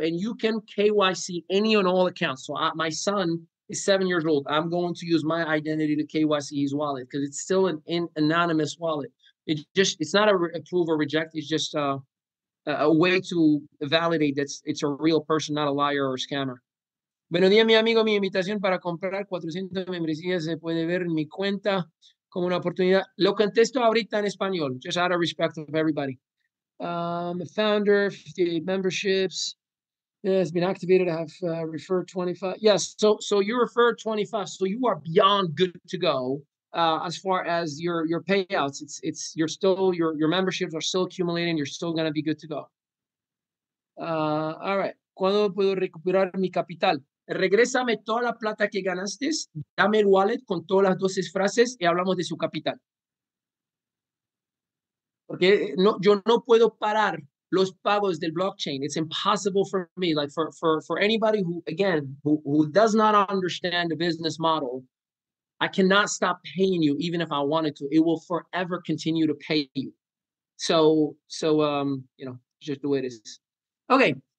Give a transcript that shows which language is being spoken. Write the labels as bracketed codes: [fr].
[en] And you can KYC any and all accounts. So my son is 7 years old. I'm going to use my identity to KYC his wallet because it's still an anonymous wallet. It's not a approve or reject. It's just a way to validate that it's a real person, not a liar or a scammer. [es] Buenos días, mi amigo. Mi invitación para comprar 400 membresías se puede ver en mi cuenta como una oportunidad. Lo contesto ahorita en español, [en] just out of respect of everybody. Founder, 58 memberships. Yeah, it's been activated. I have referred 25. Yes, so you referred 25. So you are beyond good to go as far as your payouts. It's you're still, your memberships are still accumulating. You're still going to be good to go. All right. [es] ¿Cuándo puedo recuperar mi capital? Regrésame toda la plata que ganaste, dame el wallet con todas las 12 frases y hablamos de su capital. Porque no, yo no puedo parar los pagos del blockchain. [en] It's impossible for me, like for anybody who, again, who does not understand the business model, I cannot stop paying you even if I wanted to. It will forever continue to pay you. So, just the way it is. Okay.